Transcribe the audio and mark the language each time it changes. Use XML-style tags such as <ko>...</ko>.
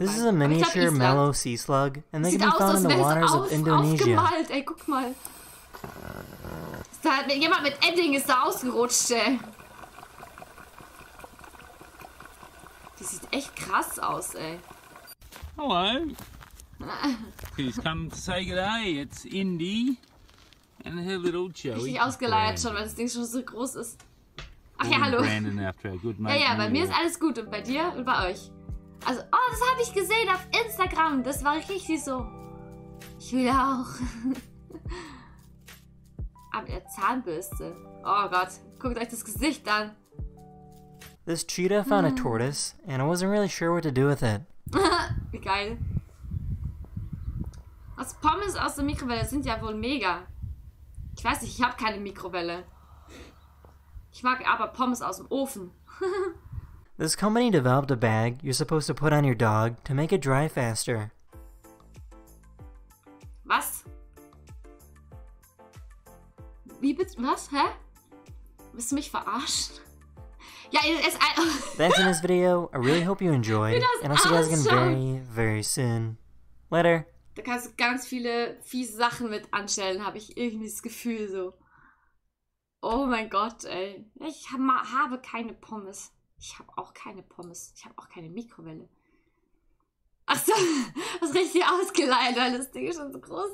<en>this is a miniature mellow sea slug, and they can be found in the waters of Indonesia.</en> <de>Aufgemalt. Ey, guck mal. Da hat mir jemand mit Edding ist da ausgerutscht. Ey. Die sieht echt krass aus, ey.</de> <en>Hello. Please come to say good day. It's Indy and her little Joey.</en> <de>Richtig ausgeleiert schon, weil das Ding schon so groß ist. Ach ja, hallo. Ja, bei mir ist alles gut und bei dir und bei euch. Also, oh, das habe ich gesehen auf Instagram. Das war richtig so. Ich will auch. Aber der Zahnbürste. Oh Gott, guckt euch das Gesicht an.</de> <en>This cheetah found a tortoise and I wasn't really sure what to do with it.</en> <de>Wie geil. Also Pommes aus der Mikrowelle sind ja wohl mega. Ich weiß nicht, ich habe keine Mikrowelle. Ich mag aber Pommes aus dem Ofen.</de> <en>This company developed a bag you're supposed to put on your dog to make it dry faster.</en> <de>Was? Wie bitte? Was? Hä? Willst du mich verarschen? Ja, es...</de> <en>That's in this video. I really hope you enjoyed. And I'll see you guys again very, very soon. Later.</en> <de>Da kannst du ganz viele fiese Sachen mit anstellen, habe ich irgendwie das Gefühl so. Oh mein Gott, ey. Ich habe keine Pommes. Ich habe auch keine Pommes. Ich habe auch keine Mikrowelle. Ach so, das ist richtig ausgeleitet, weil das Ding ist schon so groß.</de>